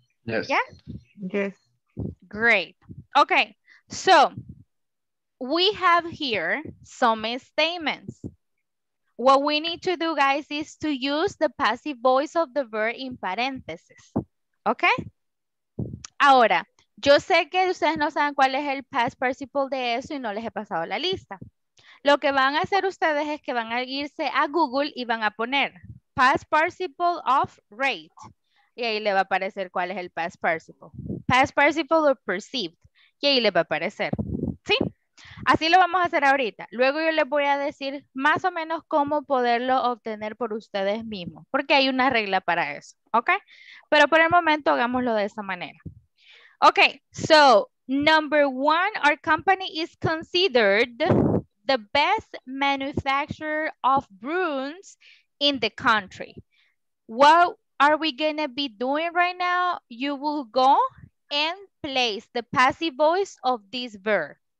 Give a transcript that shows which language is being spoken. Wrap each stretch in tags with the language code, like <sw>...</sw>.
<en>Yes. Yeah? Yes. Great. Okay. So, we have here some statements. What we need to do, guys, is to use the passive voice of the verb in parentheses. Okay?</en> <es>Ahora, yo sé que ustedes no saben cuál es el past participle de eso y no les he pasado la lista. Lo que van a hacer ustedes es que van a irse a Google y van a poner</es> <en>past participle of rate.</en> <es>Y ahí le va a aparecer cuál es el past participle.</es> <en>Past participle or perceived.</en> <es>Y ahí le va a aparecer. ¿Sí? Así lo vamos a hacer ahorita. Luego yo les voy a decir más o menos cómo poderlo obtener por ustedes mismos. Porque hay una regla para eso. ¿Ok? Pero por el momento hagámoslo de esa manera. Ok.</es> <en>So, number one, our company is considered the best manufacturer of brooms in the country. Well, are we going to be doing right now? You will go and place the passive voice of this verb.</en>